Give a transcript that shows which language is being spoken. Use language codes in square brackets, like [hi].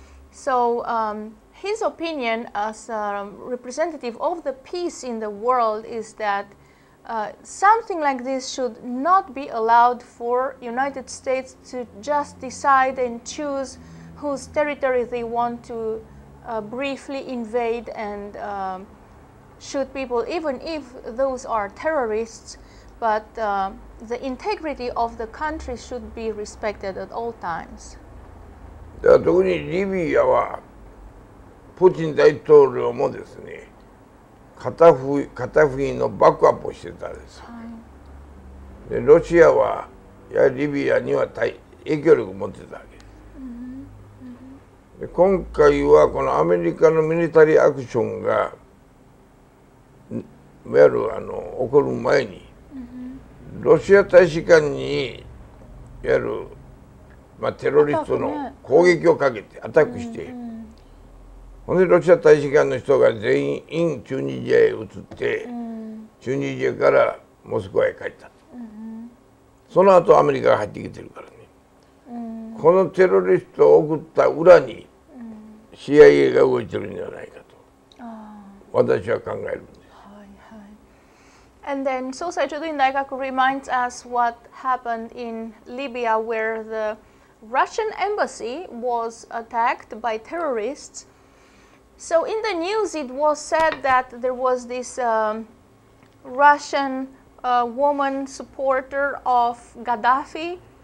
[en] So his opinion as a representative of the peace in the world is that something like this should not be allowed for United States to just decide and choose whose territory they want to briefly invade and shoot people, even if those are terrorists. But the integrity of the country should be respected at all times. [ja] 特にリビアはプーチン大統領もですね、片振りのバックアップをしてたんです、はい、でロシアはやはりリビアには影響力を持ってたわけです、うんうん、で今回はこのアメリカのミリタリーアクションがいわゆる起こる前に、うん、ロシア大使館にいわゆるまあ、テロリストの攻撃をかけてアタックして、ほんでロシア大使館の人が全員インチュニジアへ移って、チュニジアからモスクワへ帰ったと。その後アメリカが入ってきてるからね。このテロリストを送った裏に CIA が動いてるんじゃないかと私は考えるんです。 [en] And then so Sachido in Daikaku reminds us what happened in Libya where theRussian embassy was attacked by terrorists. So in the news it was said that there was this Russian woman supporter of Gaddafi.